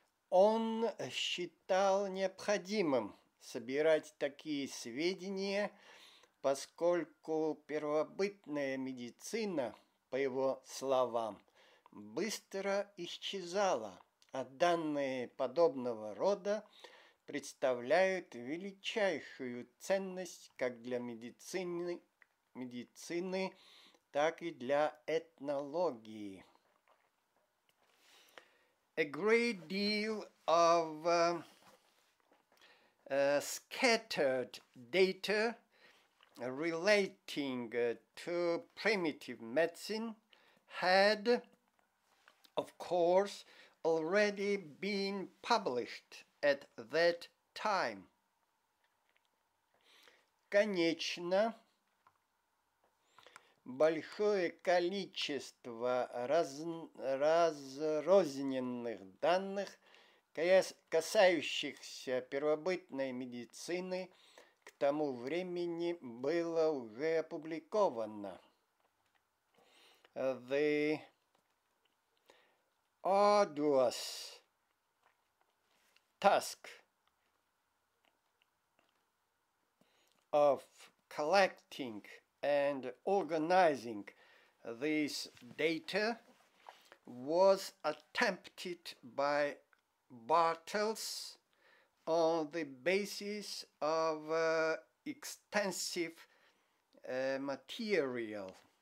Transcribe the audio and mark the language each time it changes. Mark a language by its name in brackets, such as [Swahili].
[Russian] Он считал необходимым собирать такие сведения, поскольку первобытная медицина, по его словам, быстро исчезала, а данные подобного рода представляют величайшую ценность как для медицины, так и для этнологии. [English] A great deal of scattered data relating to primitive medicine had, of course, already been published at that time. [Russian] Конечно, большое количество разрозненных данных, касающихся первобытной медицины, к тому времени было уже опубликовано. [English] the arduous task of collecting and organizing this data was attempted by Bartels on the basis of extensive material.